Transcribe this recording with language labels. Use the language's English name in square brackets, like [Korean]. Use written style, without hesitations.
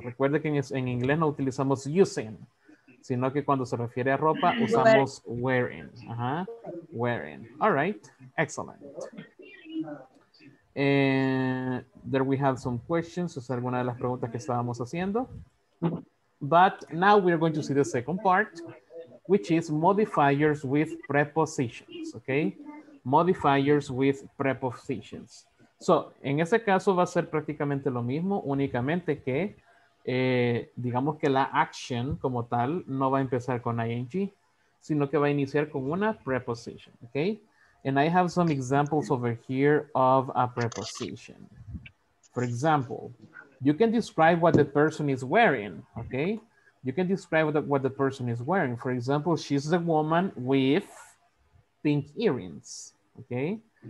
[Spanish] Recuerde que en inglés no utilizamos using, sino que cuando se refiere a ropa usamos wearing. [English] Uh-huh. Wearing. All right. Excellent. And there we have some questions. [Spanish] Es alguna de las preguntas que estábamos haciendo. [English] But now we are going to see the second part, which is modifiers with prepositions. Okay. Modifiers with prepositions. [Spanish] So, en ese caso va a ser prácticamente lo mismo, únicamente que digamos que la action como tal no va a empezar con ing, sino que va a iniciar con una preposition. Okay. [English] And I have some examples over here of a preposition. For example, you can describe what the person is wearing, okay? You can describe what the person is wearing. For example, she's the woman with pink earrings, okay?